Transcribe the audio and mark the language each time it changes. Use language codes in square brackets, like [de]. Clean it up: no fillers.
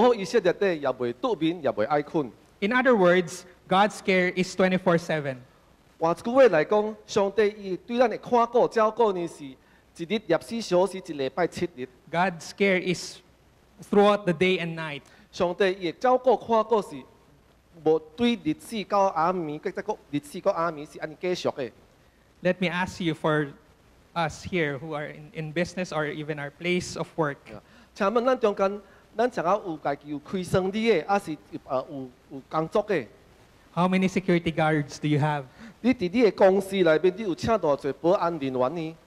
[nan] 伊的确无叫你的脚摇动，保护你的也确袂独眠，保护以色列的也袂独眠，也袂爱困。 [en] In other words, God's care is 24/7. [nan] 换句话来讲，上帝伊对咱的看顾照顾呢是一日24小时，一礼拜7日。 [en] God's care is throughout the day and night. [nan] 上帝伊照顾看顾是。无对日时到暗暝，再个日时到暗暝是安尼继续的。 [en] Let me ask you for us here who are in business or even our place of work. [nan] 请问咱中间，咱想要有家己有开生意的，还是有工作的？ [en] How many security guards do you have? [nan] 你伫你的公司内面，你有请多少保安人员呢？